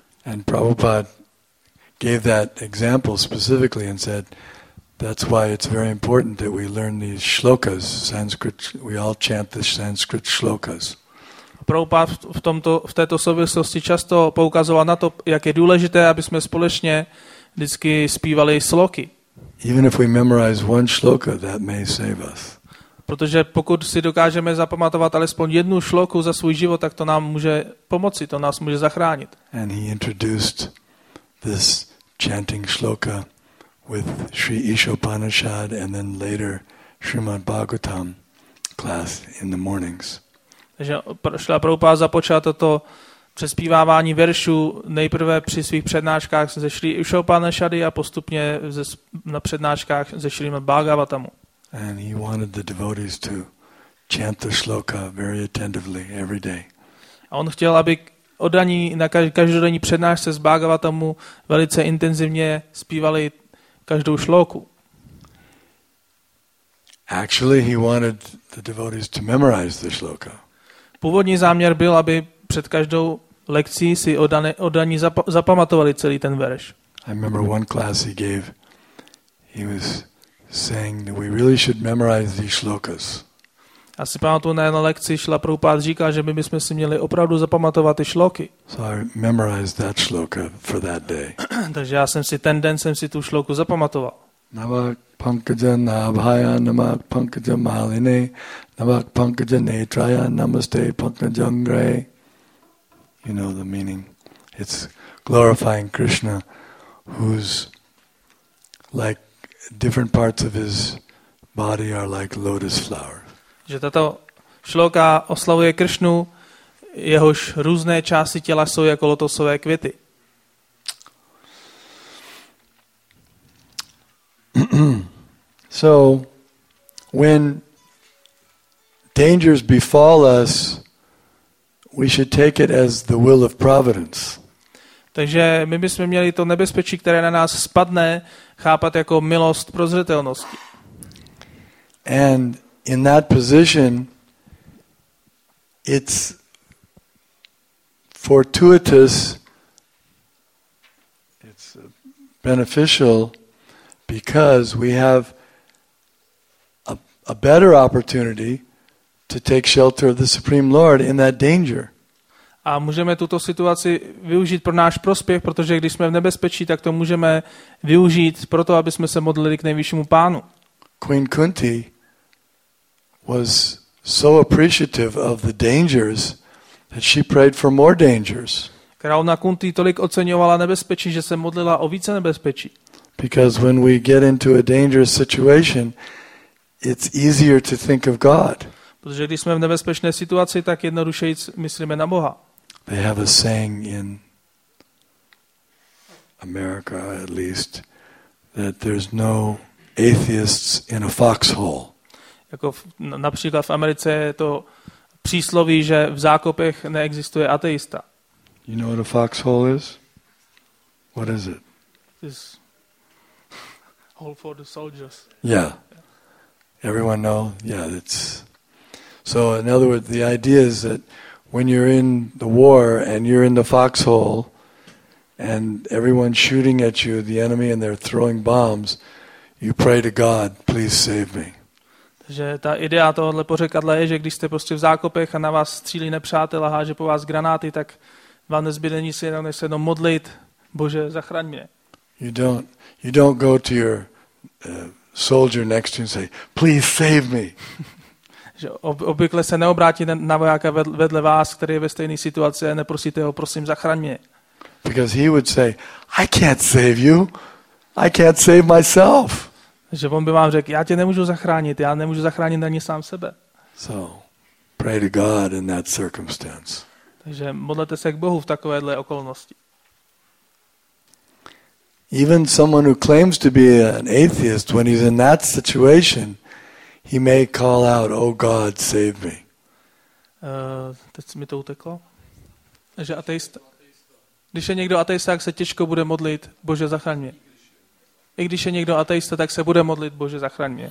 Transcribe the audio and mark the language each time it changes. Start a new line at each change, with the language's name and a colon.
English: And Prabhupada gave that example specifically and said, that's why it's very important that we learn these shlokas, Sanskrit, we all chant the Sanskrit shlokas.
Czech: Prabhupada v této souvislosti často poukazoval na to, jak je důležité, aby jsme společně vždycky zpívali sloky.
English: Even if we memorize one shloka, that may save us.
Czech: Protože pokud si dokážeme zapamatovat alespoň jednu šloku za svůj život, tak to nám může pomoci, to nás může zachránit.
English: And he introduced this chanting shloka with Sri Ishopanishad and then later Srimad Bhagavatam class in the mornings.
Czech: Takže Šrila Prabhupada započal toto přespívávání veršů nejprve při svých přednáškách ze Sri Ishopanishady a postupně na přednáškách ze Srimad Bhagavatamu.
English: And he wanted the devotees to chant the shloka very attentively every day.
Czech: A on chtěl, aby oddaní na každodenní přednášce z Bhagavatamu velice intenzivně zpívali každou šloku.
English: Actually, he wanted the devotees to memorize the shloka.
Czech: Původní záměr byl, aby před každou lekcí si oddaní zapamatovali celý ten verš.
English: I remember one class he gave. He was saying that we really should memorize these shlokas.
Czech: A si pamatuju, na jedné lekci Šrila Prabhupada říká, že my bychom si měli opravdu zapamatovat ty šloky.
English: So I memorized that shloka for that day.
Czech: Takže já jsem si ten den jsem si tu šloku zapamatoval.
Sanskrit: Navak pankaja nabhaya namak pankaja malini navak pankaja netraya namaste pankajangre.
English: You know the meaning. It's glorifying Krishna who's like different parts of his body are like lotus flowers.
Czech: Že tato šloka oslavuje Kršnu, jehož různé části těla jsou jako lotosové květy.
English: So when dangers befall us, we should take it as the will of providence.
Czech: Takže my bychom měli to nebezpečí, které na nás spadne, chápat jako milost prozřetelnosti.
English: And in that position, it's fortuitous, it's beneficial, because we have a better opportunity to take shelter of the Supreme Lord in that danger.
Czech: A můžeme tuto situaci využít pro náš prospěch, protože když jsme v nebezpečí, tak to můžeme využít proto, aby jsme se modlili k nejvyššímu pánu.
English: Queen Kunti was so appreciative of the dangers that she prayed for more dangers.
Czech: Královna Kunti tolik oceňovala nebezpečí, že se modlila o více nebezpečí.
English: Because when we get into a dangerous situation, it's easier to think of God.
Czech: Protože když jsme v nebezpečné situaci, tak jednodušeji myslíme na Boha.
English: They have a saying in America, at least, that there's no atheists in a foxhole.
Czech: Jako například v Americe je to přísloví, že v zákopech neexistuje ateista.
English: You know what a foxhole is? What is it? It's hole for the soldiers. Yeah. Everyone know? Yeah, it's... So in other words, the idea is that when you're in the war and you're in the foxhole and everyone's shooting at you, the enemy, and they're throwing bombs, you pray to God, please save me.
Czech: Že ta idea tohohle pořekadla je, že když jste prostě v zákopech a na vás střílí nepřátel a háže po vás granáty, tak vám nezbyde nic jiného, než se jenom modlit, Bože, zachraň mě.
English: You don't go to your soldier next to you and say, please save me.
Czech: Že obvykle se neobrátí na vojáka vedle vás, který je ve stejné situaci, a neprosíte ho, prosím, zachraň mě.
English: Because he would say, I can't save you. I can't save myself.
Czech: Že on by vám řekl, já tě nemůžu zachránit, já nemůžu zachránit ani sám sebe.
English: So, pray to God in that circumstance.
Czech: Takže modlete se k Bohu v takovéhle okolnosti.
English: Even someone who claims to be an atheist, when he's in that situation, he may call out, oh God, save me.
Czech: Teď mi to uteklo. Že ateista. Když je někdo ateista, tak se těžko bude modlit, Bože, zachraň mě. I když je někdo ateista, tak se bude modlit, Bože, zachraň mě.